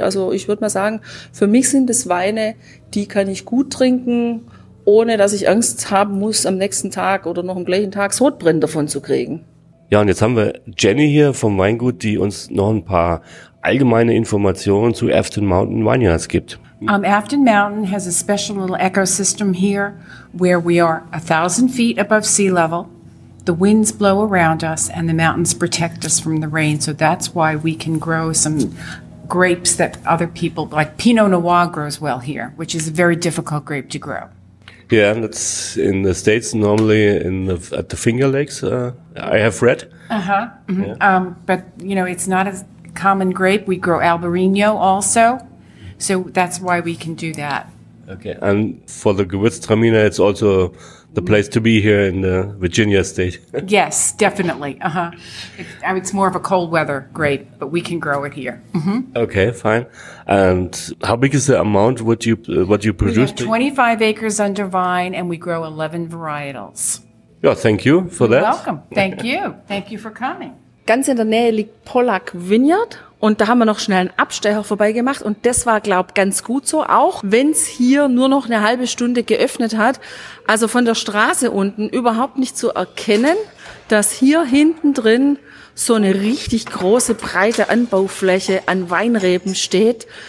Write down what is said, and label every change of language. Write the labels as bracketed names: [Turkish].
[German] Also ich würde mal sagen, für mich sind das Weine, die kann ich gut trinken, ohne dass ich Angst haben muss, am nächsten Tag oder noch am gleichen Tag Sodbrennen davon zu kriegen. Ja, und jetzt haben wir Jenny hier vom Weingut, die uns noch ein paar allgemeine Informationen zu Afton Mountain Vineyards gibt. [English] Afton Mountain has a special little ecosystem here where we are 1,000 feet above sea level. The winds blow around us and the mountains protect us from the rain. So that's why we can grow some grapes that other people, like Pinot Noir grows well here, which is a very difficult grape to grow. Yeah, and it's in the States, normally at the Finger Lakes, I have read. Uh-huh. Mm-hmm. Yeah. But, you know, it's not a common grape. We grow Albarino also. So that's why we can do that. Okay, and for the Gewürztraminer, it's also the place to be here in the Virginia state. Yes, definitely. Uh-huh. It's more of a cold weather grape, but we can grow it here. Mm-hmm. Okay, fine. And how big is the amount what you produce? We have 25 acres under vine, and we grow 11 varietals. Yeah, thank you for that. You're welcome. Thank you. Thank you for coming. [German] Ganz in der Nähe liegt Pollack Vineyard. Und da haben wir noch schnell einen Abstecher vorbeigemacht und das war, glaube ich, ganz gut so, auch wenn es hier nur noch eine halbe Stunde geöffnet hat. Also von der Straße unten überhaupt nicht zu erkennen, dass hier hinten drin so eine richtig große, breite Anbaufläche an Weinreben steht.